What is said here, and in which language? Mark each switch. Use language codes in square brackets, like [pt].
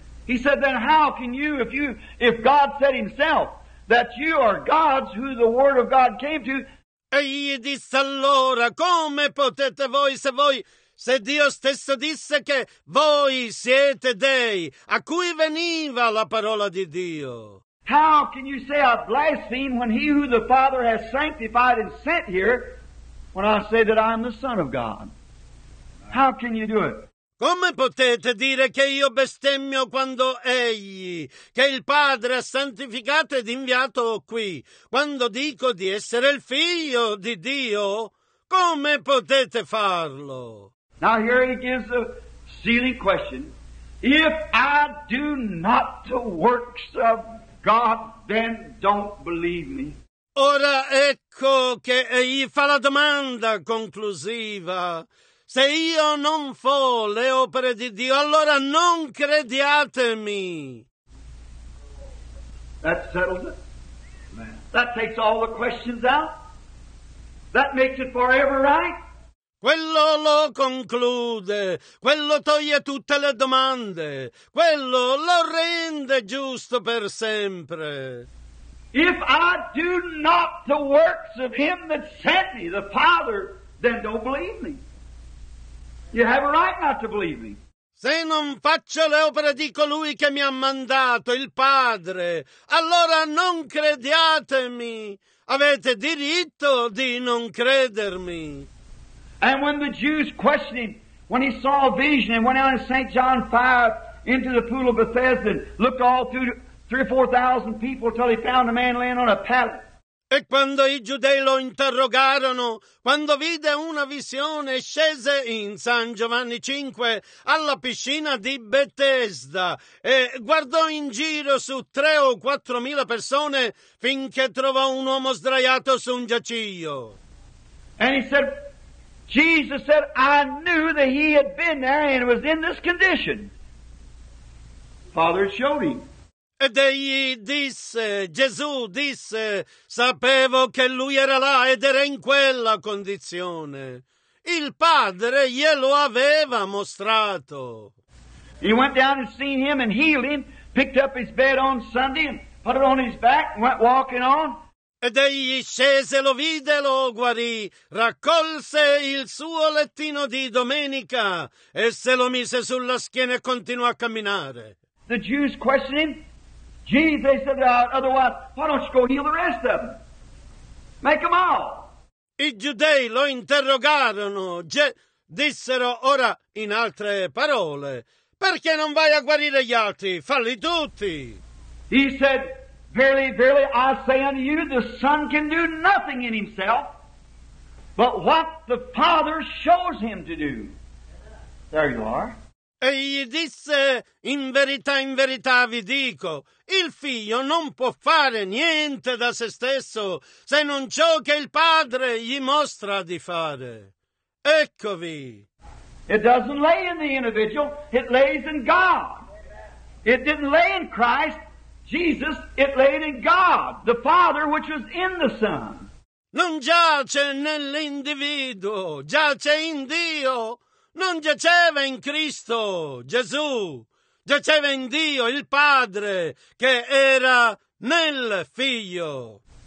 [en] He said, then how can you, if God said himself that you are gods who the word of God came to? [it] Egli disse allora, come potete voi se voi... se Dio stesso disse che voi siete dei a cui veniva la parola di Dio. [en] How can you say I blaspheme when he who the Father has sanctified and sent here, when I say that I am the Son of God? How can you do it? [it] Come potete dire che io bestemmio quando egli, che il Padre ha santificato ed inviato qui, quando dico di essere il figlio di Dio? Come potete farlo? [en] Now here he gives a sealing question. If I do not the works of God, then don't believe me. [it] Ora ecco che egli fa la domanda conclusiva. Se io non fo le opere di Dio, allora non crediatemi. [en] That settles it. That takes all the questions out. That makes it forever right. [it] Quello lo conclude, quello toglie tutte le domande, quello lo rende giusto per sempre. [en] If I do not the works of him that sent me, the Father, then don't believe me. You have a right not to believe me. [it] Se non faccio le opere di colui che mi ha mandato, il Padre, allora non crediatemi. Avete diritto di non credermi. [en] And when the Jews questioned him, when he saw a vision and went out in St. John 5 into the pool of Bethesda and looked all through 3,000 or 4,000 people till he found a man laying on a pallet. [it] E quando i giudei lo interrogarono, quando vide una visione, scese in San Giovanni 5 alla piscina di Bethesda e guardò in giro su 3,000 or 4,000 persone finché trovò un uomo sdraiato su un giaciglio. [en] And he said, Jesus said, I knew that he had been there and was in this condition. Father showed him. [it] Ed egli disse, Gesù disse, sapevo che lui era là ed era in quella condizione. Il Padre glielo aveva mostrato. [en] He went down and seen him and healed him, picked up his bed on Sunday and put it on his back and went walking on. [it] Ed egli scese, lo vide, lo guarì, raccolse il suo lettino di domenica e se lo mise sulla schiena e continuò a camminare. [en] The Jews questioned him. Jesus, they said, otherwise, why don't you go heal the rest of them? Make them all. [it] I giudei lo interrogarono, dissero ora in altre parole, perché non vai a guarire gli altri? Falli tutti. [en] He said, verily, verily, I say unto you, the Son can do nothing in himself, but what the Father shows him to do. There you are. [it] E gli disse, in verità vi dico, il figlio non può fare niente da se stesso se non ciò che il padre gli mostra di fare. Eccovi. [en] It doesn't lay in the individual, it lays in God. It didn't lay in Christ, Jesus, it laid in God, the Father which was in the Son. [it] Non giace nell'individuo, giace in Dio. Non giaceva in Cristo, Gesù, giaceva in Dio, il Padre, che era nel Figlio.